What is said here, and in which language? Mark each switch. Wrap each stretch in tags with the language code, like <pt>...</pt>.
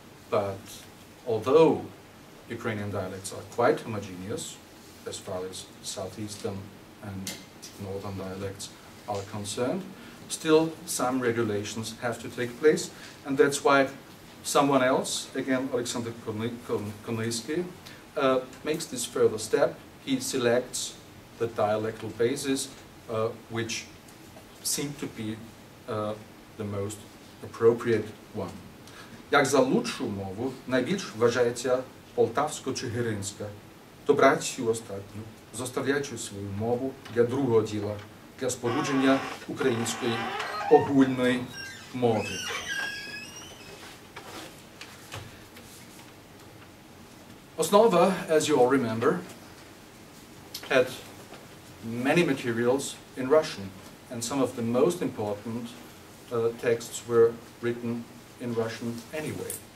<en>But although Ukrainian dialects are quite homogeneous, as far as southeastern and northern dialects are concerned, still some regulations have to take place, and that's why someone else, again Alexander Kulish, makes this further step. He selects the dialectal bases which seem to be the most appropriate one.</en> <uk>Як за лучшу мову найбільш вважається полтавсько-чигиринська, то брать всю остатню, зоставляючи свою мову для другого діла, для спорудження української огульної мови.</uk> <en>Osnova, as you all remember, had many materials in Russian. And some of the most important texts were written in Russian anyway.</en>